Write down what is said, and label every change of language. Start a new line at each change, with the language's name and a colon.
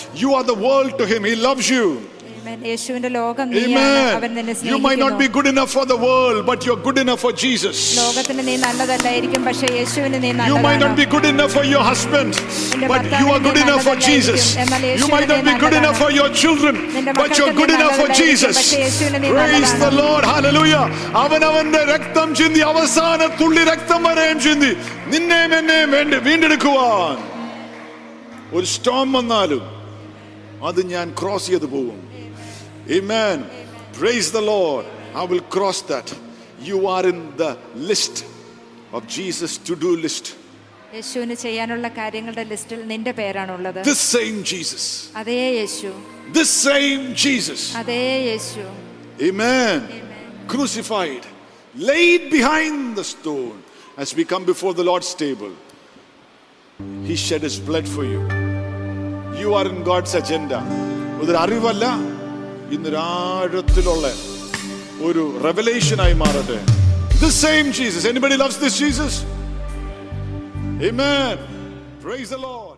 English: You are the world to him. He loves you.
Malayalam: Amen. യേശുവിന്റെ ലോകം നീയാണ്. അവൻ നിന്നെ സ്നേഹിക്കുന്നു.
English: You might not be good enough for the world, but you are good enough for Jesus.
Malayalam: ലോകത്തിന് നീ നല്ലതല്ലായിരിക്കും, പക്ഷേ യേശുവിന് നീ നല്ലതാണ്.
English: You might not be good enough for your husband, but you are good enough for Jesus. You might not be good enough for your children, but you are good enough for Jesus. Praise the Lord. Hallelujah.
Malayalam: അവൻ അവന്റെ രക്തം ചിന്തി, അവസാന തുള്ളി രക്തം വരെയും ചിന്തി, നിന്നെയും എന്നെയും വേണ്ടി വീണ്ടെടുക്കുവാൻ. ഒരു സ്റ്റോം വന്നാലും അത് ഞാൻ ക്രോസ് ചെയ്ത് പോകും.
English: Amen. Praise the Lord. I will cross that. You are in the list of Jesus' to-do list.
Malayalam: യേശുവിനെ ചെയ്യാനുള്ള കാര്യങ്ങളുടെ ലിസ്റ്റിൽ നിന്റെ പേരാണ് ഉള്ളത്.
English: This same Jesus.
Malayalam: അതേ യേശു.
English: This same Jesus.
Malayalam: അതേ യേശു.
English: Amen. Crucified, laid behind the stone. As we come before the Lord's table, he shed his blood for you. You are in God's agenda.
Malayalam: ഒരു അറിവല്ല, ഇന്നൊരാഴത്തിലുള്ള ഒരു റെവലേഷനായി മാറട്ടെ.
English: The same Jesus. Anybody loves this Jesus? Amen. Praise the Lord.